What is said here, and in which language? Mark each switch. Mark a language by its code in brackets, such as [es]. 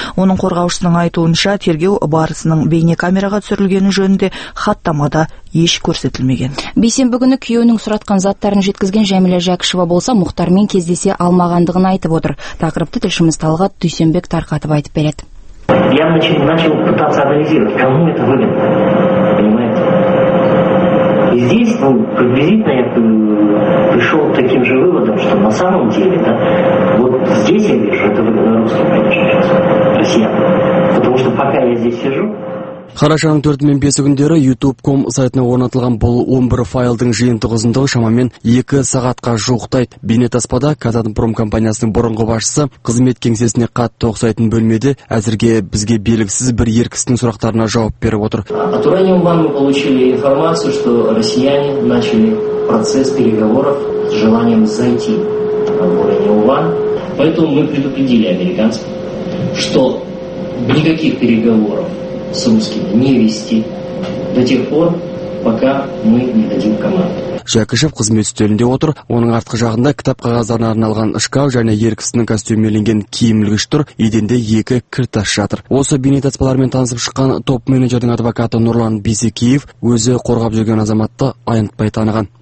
[kk] Оның қорғаушысының айтуынша, тергеу барысының бейнекамераға түсірілгені жөнінде хаттамада еш көрсетілмеген. Бейсенбі күні күйеуінің сұратқан заттарын жеткізген Жәмилә Жәкішева болса, Мұхтармен кездесе алмағандығын айтып отыр. Тақырыпты тілшіміз Талғат Дүйсенбек тарқатып айтып береді. [ru] Я начал пытаться анализировать, кому это выгодно, понимаете? И здесь, ну, приблизительно я пришел к таким же выводам, что на самом деле, да, вот здесь я вижу, это выгодно русским, конечно, сейчас, россиянам, потому что пока я здесь сижу, [kk] Қарашаның 4 мен 5 күндері YouTube.com сайтына орнатылған бұл 11 файлдың жиынтық ұзындығы шамамен 2 сағатқа жуықтайды. Бейнетаспада Қазатомпром компаниясының бұрынғы басшысы қызмет кеңсесіне қатты ұқсайтын бөлмеде әзірге бізге белгісіз бір еркістің сұрақтарына жауап беріп отыр. [ru] От ранее вам мы получили информацию, что россияне начали процесс переговоров с желанием зайти в ранее Уван. Поэтому мы предупредили американцев, что никаких переговоров с русскими не вести до тех пор, пока мы не дадим команду. [kk] Жәкішев қызмет үстелінде отыр, оның артқы жағында кітап қағаздарына арналған ұшқау және еркісінің костюмеленген киім үлгіш тұр, еденде екі кір тас жатыр. Осы бейнетаспалармен танысып шыққан топ-менеджердің адвокаты Нұрлан Бисекеев өзі қорғап жүрген азаматты айнытпай таныған.